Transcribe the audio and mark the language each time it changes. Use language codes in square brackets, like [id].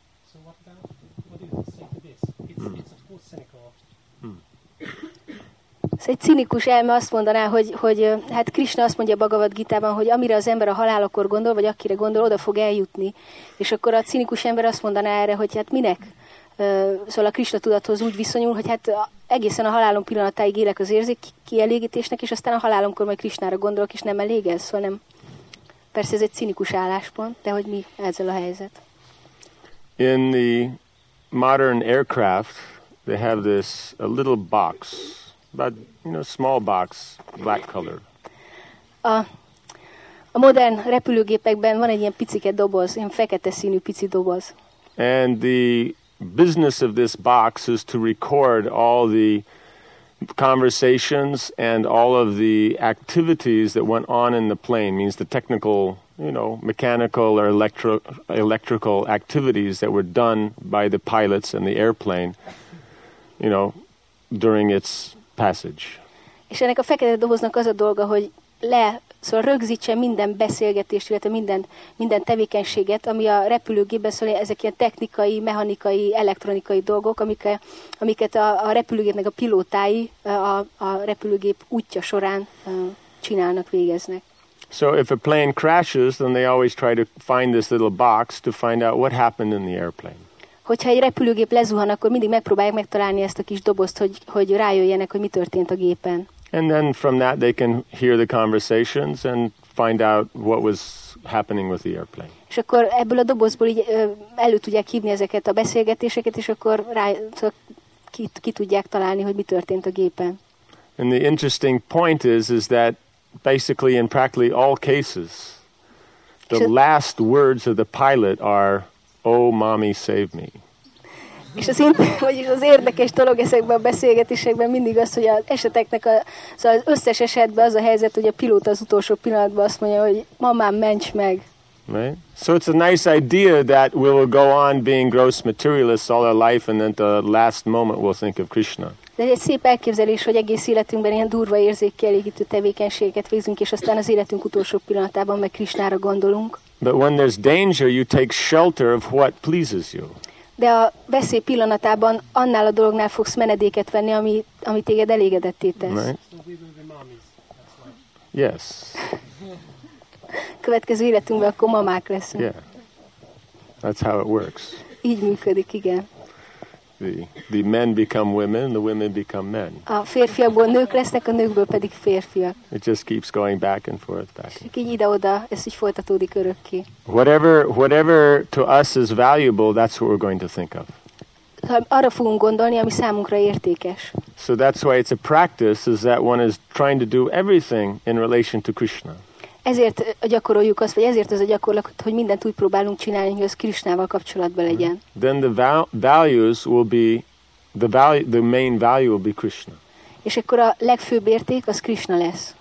[en] So what about, what do you say to this? It's of course cynical. Mm. [hu] Egy cinikus elme azt mondaná, hogy hát Krishna azt mondja a Bhagavad Gitában, hogy amire az ember a halálakor gondol, vagy akire gondol, oda fog eljutni. És akkor a cinikus ember azt mondaná erre, hogy hát minek? Szóval a Krishna tudathoz úgy viszonyul, hogy hát egészen a halálom pillanatáig élek az érzék kielégítésnek, és aztán a halálomkor majd Krishnára gondolok, és nem elég ez. Szóval nem. Persze ez egy cinikus álláspont, de hogy mi ezzel a helyzet? [en] In the modern aircraft, they have this a little box. But, you know, small box, black color. [hu] A modern repülőgépekben van egy ilyen picike doboz, ilyen fekete színű pici doboz. [en] And the business of this box is to record all the conversations and all of the activities that went on in the plane. Means the technical, you know, mechanical or electrical activities that were done by the pilots and the airplane, you know, during its passage. [hu] És ennek a fekete doboznak az a dolga, hogy szóval rögzítse minden beszélgetést, illetve minden tevékenységet, ami a repülőgépben, szóval ezek ilyen technikai, mechanikai, elektronikai dolgok, amiket a repülőgépnek a pilótái a repülőgép útja során csinálnak, végeznek. [en] So if a plane crashes, then they always try to find this little box to find out what happened in the airplane. [hu] Hogyha egy repülőgép lezuhan, akkor mindig megpróbálják megtalálni ezt a kis dobozt, hogy rájöjjenek, hogy mi történt a gépen. [en] And then from that they can hear the conversations and find out what was happening with the airplane. [hu] És akkor ebből a dobozból így elő tudják hívni ezeket a beszélgetéseket, és akkor ki tudják találni, hogy mi történt a gépen. [en] And the interesting point is that basically in practically all cases, the last words of the pilot are, oh, mommy, save me. [hu] És az érdekes dolog ezekben a beszélgetésekben mindig az, hogy az eseteknek szóval az összes esetben az a helyzet, hogy a pilóta az utolsó pillanatban azt mondja, hogy mamám, ments meg. [en] Right? So it's a nice idea that we will go on being gross materialists all our life and then the last moment we'll think of Krishna. [hu] De egy szép elképzelés, hogy egész életünkben ilyen durva érzékkielégítő tevékenységet végzünk, és aztán az életünk utolsó pillanatában meg Krishnára gondolunk. [en] But when there's danger, you take shelter of what pleases you. [hu] De a veszély pillanatában annál a dolognál fogsz menedéket venni, ami téged elégedetté tesz. [en] Right. Yes. [hu] Következő életünkben akkor mamák leszünk. [en] Yeah. That's how it works. [hu] Így működik, igen. [en] The men become women, the women become men. [hu] A férfiakból nők lesznek, a nőkből pedig férfiak. [en] It just keeps going back and forth, back and forth. [hu] Így ide-oda, ez így folytatódik örökké. [en] Whatever to us is valuable, that's what we're going to think of. [hu] Arra fogunk gondolni, ami számunkra értékes. [en] So that's why it's a practice, is that one is trying to do everything in relation to Krishna. [hu] Ezért gyakoroljuk azt, vagy ezért az a gyakorlat, hogy mindent úgy próbálunk csinálni, hogy az Krisnával kapcsolatban legyen. [en] Then the values will be the main value will be Krishna. És akkor a legfőbb érték az Krishna lesz.